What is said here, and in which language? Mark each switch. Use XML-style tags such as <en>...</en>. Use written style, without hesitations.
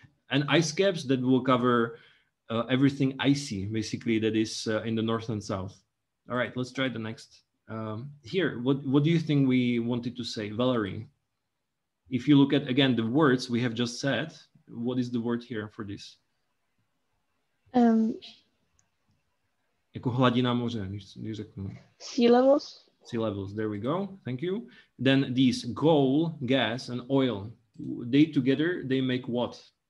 <en>And ice caps that will cover everything icy, basically, that is in the north and south. All right, let's try the next. Here, what do you think we wanted to say? Valerie, if you look at, again, the words we have just said, what is the word here for this?</en> <cs>Jako hladina moře, když řeknu.</cs> <en>Sea levels, there we go. Thank you. Then these coal, gas, and oil, they together, they make what?</en>